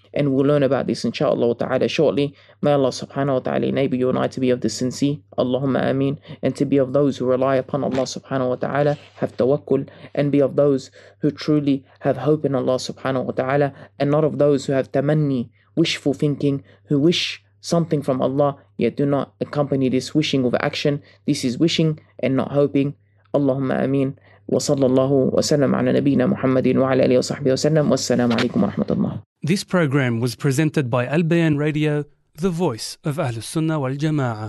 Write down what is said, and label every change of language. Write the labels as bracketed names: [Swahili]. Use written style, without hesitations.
[English] and we'll learn about this inshallah ta'ala shortly. May Allah subhanahu wa ta'ala enable you and I to be of the sincere, Allahumma ameen, and to be of those who rely upon Allah subhanahu wa ta'ala, have tawakkul, and be of those who truly have hope in Allah subhanahu wa ta'ala, and not of those who have tamanni, wishful thinking, who wish something from Allah, yet do not accompany this wishing with action. This is wishing and not hoping. Allahumma ameen. [Arabic] وصلى الله وسلم على نبينا محمد وعلى آله وصحبه وسلم والسلام عليكم ورحمة الله. [English] This program was presented by Al Bayan Radio, the voice of Ahlus Sunnah wal Jama'ah.